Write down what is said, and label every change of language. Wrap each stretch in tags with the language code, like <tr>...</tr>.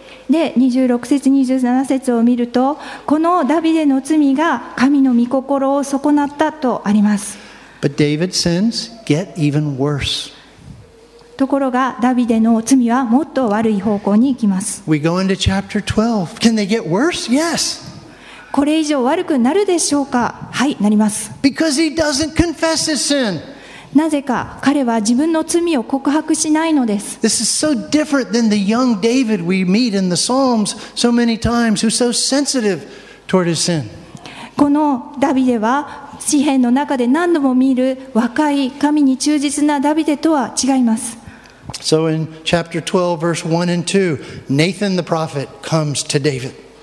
<ja>で、26節、27節を見ると、このダビデの罪が神の御心を損なったとあります。</ja> <en>But David's sins get even worse.</en> <ja>ところが、ダビデの罪はもっと悪い方向に行きます。</ja> <en>We go into chapter 12. Can they get worse? Yes.</en> <ja>これ以上悪くなるでしょうか？はい、なります。</ja> <en>Because he doesn't confess his sin.</en> <ja>なぜか彼は自分の罪を告白しないのです。</ja> <en>This is so different than the young David we meet in the Psalms so many times, who's so sensitive toward his sin.</en> <ja>このダビデは詩篇の中で何度も見る若い神に忠実なダビデとは違います。</ja> <en>So in chapter 12 verse 1 and 2 Nathan the prophet comes to David.</en>